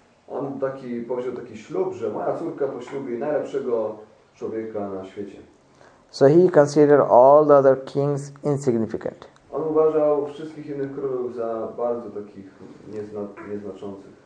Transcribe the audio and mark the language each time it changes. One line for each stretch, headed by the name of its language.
Polish: On taki powiedział taki ślub, że moja córka poślubi najlepszego człowieka na świecie.
English: So he considered all the other kings insignificant.
Polish: On uważał wszystkich innych królów za bardzo takich nieznaczących.